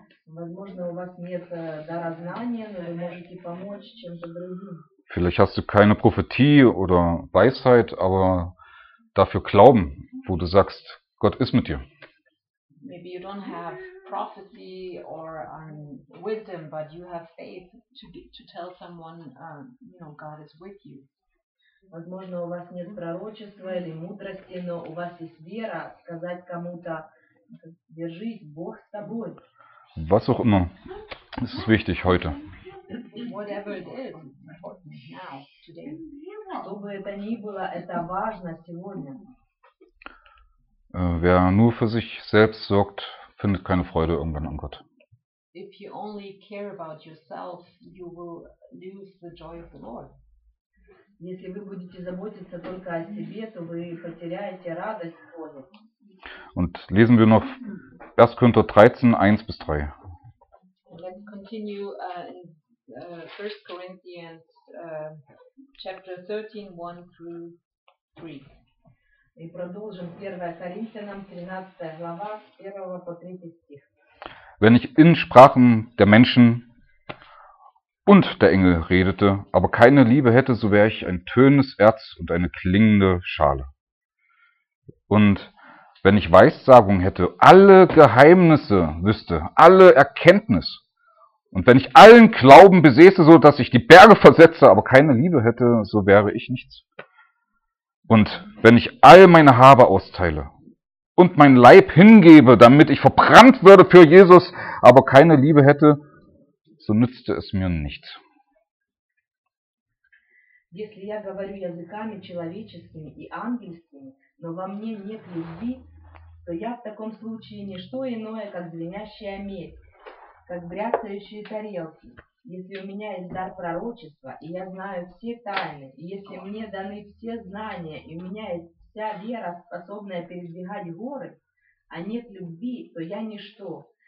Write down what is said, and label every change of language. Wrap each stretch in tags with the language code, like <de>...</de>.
<ru>Возможно, у вас нет дара знания, но вы можете помочь чем-то другим.</ru> <de>Vielleicht hast du keine Prophetie oder Weisheit, aber dafür Glauben, wo du sagst, Gott ist mit dir.</de> <en>Maybe you don't have prophecy or wisdom, but you have faith to tell someone, you know, God is with you.</en> <ru>Возможно, у вас нет пророчества или мудрости, но у вас есть вера сказать кому-то: держись, Бог с тобой.</ru> <de>Was auch immer, es ist wichtig heute.</de> <en>Whatever it is, now, today.</en> <ru>Что бы это ни было, это важно сегодня.</ru> <de>Wer nur für sich selbst sorgt, findet keine Freude irgendwann an Gott.</de> <en>If you only care about yourself, you will lose the joy of the Lord.</en> <ru>Если вы будете заботиться только о себе, то вы потеряете радость Божью.</ru> <de>Und lesen wir noch 1. Korinther 13, 1 bis 3.</de> <en>Let's continue in 1. Corinthians chapter 13, 1 through 3.</en> <ru>И продолжим 1 Коринфянам 13 глава с 1 по 3 стих.</ru> <de>Wenn ich in Sprachen der Menschen und der Engel redete, aber keine Liebe hätte, so wäre ich ein tönendes Erz und eine klingende Schale. Und wenn ich Weissagung hätte, alle Geheimnisse wüsste, alle Erkenntnis, und wenn ich allen Glauben besäße, so dass ich die Berge versetze, aber keine Liebe hätte, so wäre ich nichts. Und wenn ich all meine Habe austeile und mein Leib hingebe, damit ich verbrannt würde für Jesus, aber keine Liebe hätte, so nützte es mir nichts.</de> <ru>Если я говорю языками человеческими и ангельскими, но во мне нет любви, то я в таком случае не что иное, как звенящая медь, как бряцающие тарелки. Если у меня есть дар пророчества, и я знаю все тайны, и если мне даны все знания, и у меня есть вся вера, способная передвигать горы, а нет любви, то я ничто.</ru>